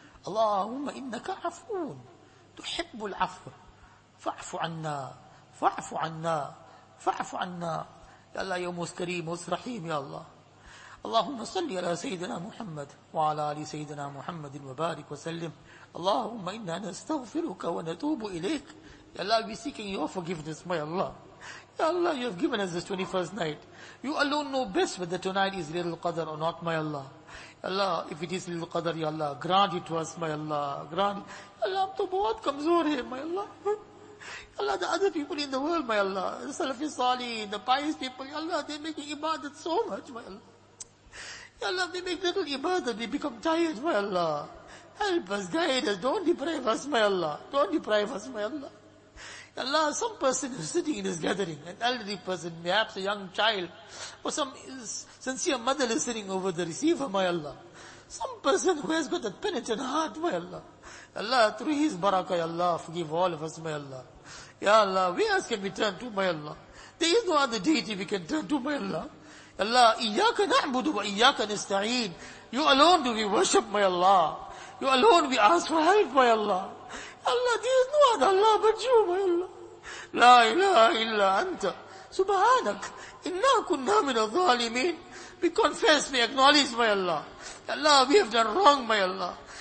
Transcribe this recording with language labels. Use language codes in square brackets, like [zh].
[ar] اللهم إنك عفو تحب العفو فاعف عنا فاعف عنا فاعف عنا يا الله يا موسى كريم موسى رحيم يا الله. اللهم صل على سيدنا محمد وعلى آل سيدنا محمد وبارك وسلم. اللهم إنا نستغفرك ونتوب إليك. [en] Ya Allah, we're seeking your forgiveness, my Allah. Ya Allah, you have given us this 21st night. You alone know best whether tonight is little qadr or not, my Allah. Ya Allah, if it is little qadr, Ya Allah, grant it to us, my Allah. Grant it. Ya Allah, I'm too bad, [ur] kamzor hai, [en] my Allah. Ya Allah, the other people in the world, my Allah, the Salafi Salih, the pious people, Ya Allah, they're making ibadat so much, my Allah. Ya Allah, they make little ibadat, they become tired, my Allah. Help us, guide us, don't deprive us, my Allah. Don't deprive us, my Allah. Allah, some person is sitting in his gathering, an elderly person, perhaps a young child, or some sincere mother is sitting over the receiver, my Allah. Some person who has got that penitent heart, my Allah. Allah, through his barakah, Allah, forgive all of us, my Allah. Ya Allah, where else can we turn to, my Allah? There is no other deity we can turn to, my Allah. [ar] Allah, إِيَّاكَ نَعْبُدُ وَإِيَّاكَ نَسْتَعِينَ. [en] You alone do we worship, my Allah. You alone we ask for help, my Allah. Allah, there is no other Allah but you, my Allah. [ar] لا إله إلا أنت. سبحانك. إِنَّا كُنَّا مِنَ الظَّالِمِينَ. [en] We confess, we acknowledge, my Allah. Allah, we have done wrong, my Allah.